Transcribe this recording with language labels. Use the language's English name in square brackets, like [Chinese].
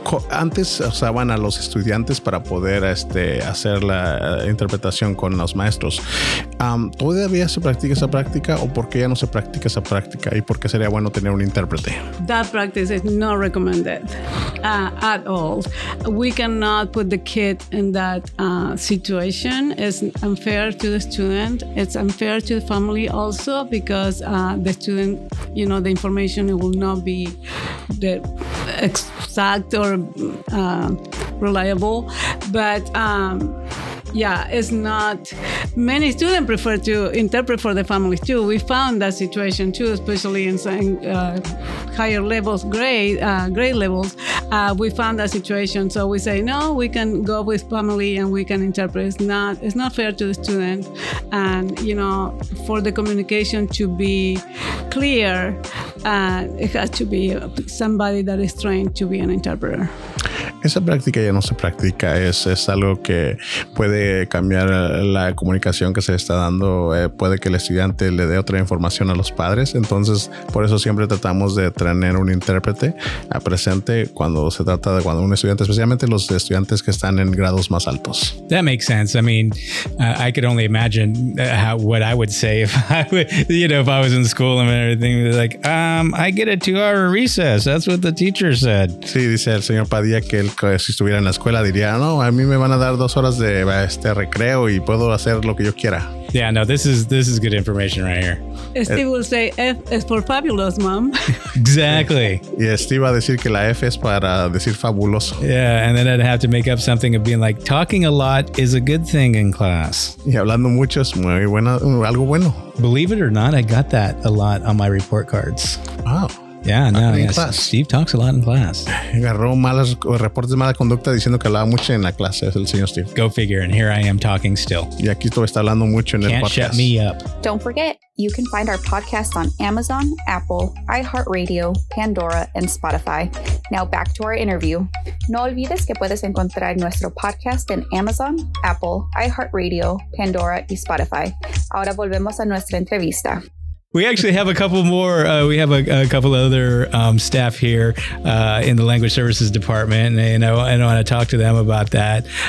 [Spanish] Antes usaban a los estudiantes para poder hacer la interpretación con los maestros. ¿Todavía se practica esa práctica o por qué ya no se practica esa práctica y por qué sería bueno tener un intérprete? [English] That practice is not recommended at all. We cannot put the kid in that situation. It's unfair to the student. It's unfair to the family also, because the student, you know, the information will not be the exact or reliable, but yeah, it's not. Many students prefer to interpret for the families too. We found that situation too, especially in some higher levels, grade levels. We found that situation, so we say no. We can go with family and we can interpret. It's not fair to the student, and you know, for the communication to be clear, it has to be somebody that is trained to be an interpreter. [Spanish] Esa práctica ya no se practica, es algo que puede cambiar la comunicación que se está dando, puede que el estudiante le dé otra información a los padres, entonces por eso siempre tratamos de tener un intérprete a presente cuando se trata de cuando un estudiante, especialmente los estudiantes que están en grados más altos. [English] That makes sense. I mean, I could only imagine what I would say if I was in school and everything, like, I get a 2-hour recess, that's what the teacher said. [Spanish] Sí, dice el señor Padilla que si estuviera en la escuela diría, no, a mí me van a dar 2 horas de recreo y puedo hacer lo que yo quiera. [English] Yeah, no, this is good information right here. Steve will say F is for fabulous, mom. Exactly. [Spanish] Y Steve va a decir que la F es para decir fabuloso. [English] Yeah, and then I'd have to make up something of being like, talking a lot is a good thing in class. [Spanish] Y hablando mucho es muy bueno, algo bueno. [English] Believe it or not, I got that a lot on my report cards. Wow. Yeah, no, yes. Steve talks a lot in class. [Spanish] Agarró malos reportes de mala conducta diciendo que hablaba mucho en la clase, es el señor Steve. [English] Go figure, and here I am talking still. [Spanish] Y aquí todo está hablando mucho en [English] Can't [Spanish] el podcast. [English] Shut me up. Don't forget, you can find our podcast on Amazon, Apple, iHeartRadio, Pandora, and Spotify. Now back to our interview. [Spanish] No olvides que puedes encontrar nuestro podcast en Amazon, Apple, iHeartRadio, Pandora, y Spotify. Ahora volvemos a nuestra entrevista. [English] We actually have a couple more. We have a couple other staff here in the language services department, and I want to talk to them about that.